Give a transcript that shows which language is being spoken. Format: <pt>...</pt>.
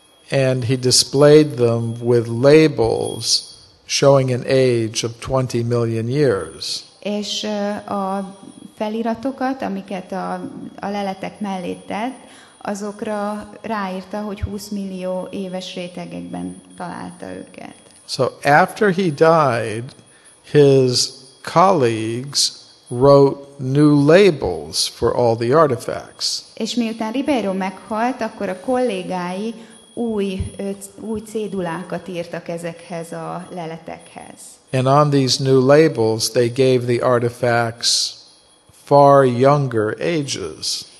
<en>And he displayed them with labels showing an age of 20 million years.</en> <hu>És a feliratokat, amiket a leletek mellé tett, azokra ráírta, hogy 20 millió éves rétegekben találta őket.</hu> <en>So after he died, his colleagues wrote new labels for all the artifacts.</en> <hu>És miután Ribeiro meghalt, akkor a kollégái új cédulákat írtak ezekhez a leletekhez.</hu> <en>And on these new labels, they gave the artifacts far younger ages.</en>